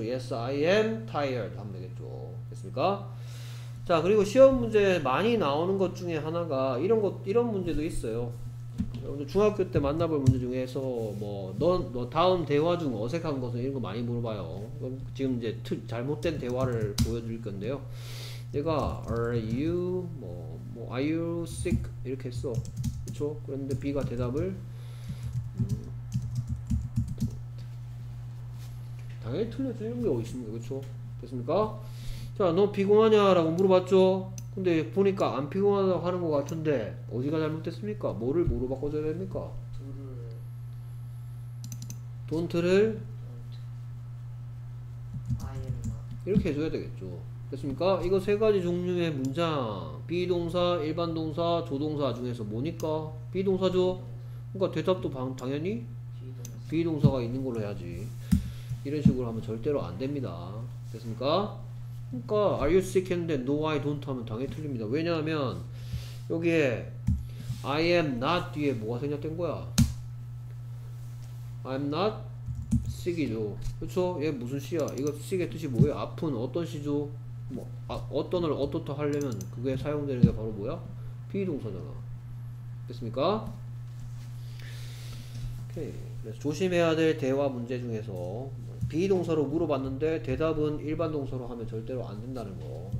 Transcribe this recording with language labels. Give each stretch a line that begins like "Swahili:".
English: Yes, I am tired
Korean: 하면 되겠죠. 됐습니까? 자, 그리고 시험 문제 많이 나오는 것 중에 하나가 이런 문제도 있어요. 여러분들 중학교 때 만나볼 문제 중에서 뭐 너 다음 대화 중 어색한 것은 이런 거 많이 물어봐요. 지금 이제 잘못된 대화를 보여드릴 건데요. 얘가
English: Are you 뭐 Are you sick?
Korean: 이렇게 했어. 그렇죠? 그런데 B가 대답을 당연히 틀렸죠. 이런 게 어디 있습니까? 그렇죠? 됐습니까? 자, 너 피곤하냐? 라고 물어봤죠? 근데 보니까 안 피곤하다고 하는 것 같은데 어디가 잘못됐습니까? 뭐를 뭐로 바꿔줘야 됩니까? 돈트를 이렇게 해줘야 되겠죠. 됐습니까? 이거 세 가지 종류의 문장, 비동사, 일반 동사, 조동사 중에서 뭐니까? 비동사죠. 그러니까 대답도 당연히 비동사가 있는 걸로 해야지. 이런 식으로 하면 절대로 안 됩니다. 됐습니까?
English: 그러니까 are you sick 했는데 no I don't
Korean: 하면 당연히 틀립니다. 왜냐하면 여기에
English: I am not
Korean: 뒤에 뭐가 생략된 거야?
English: I'm not sick이죠.
Korean: 그쵸? 얘 무슨 씨야? 이거 sick의 뜻이 뭐예요? 아픈 어떤 씨죠? 뭐, 아, 어떤을 어떻다 하려면 그게 사용되는 게 바로 뭐야? 비동사잖아. 됐습니까? 오케이. 그래서 조심해야 될 대화 문제 중에서 비동사로 물어봤는데 대답은 일반 동사로 하면 절대로 안 된다는 거.